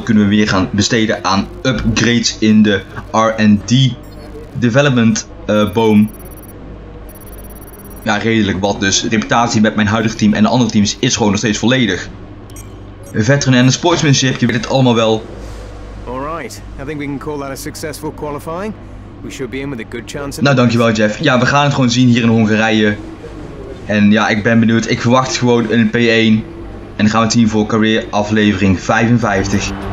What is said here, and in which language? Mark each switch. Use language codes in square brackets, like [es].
[nl] Kunnen we weer gaan besteden aan upgrades in de R&D development boom. Ja, redelijk wat dus. Reputatie met mijn huidige team en de andere teams is gewoon nog steeds volledig. Veteran en de sportsmanship, je weet het allemaal wel. [en] Alright, I think we can call that a successful qualifying. We should be in with a good chance. [nl] Nou, dankjewel Jeff. Ja, we gaan het gewoon zien hier in Hongarije. En ja, ik ben benieuwd. Ik verwacht gewoon een P1. En dan gaan we het zien voor career aflevering 55.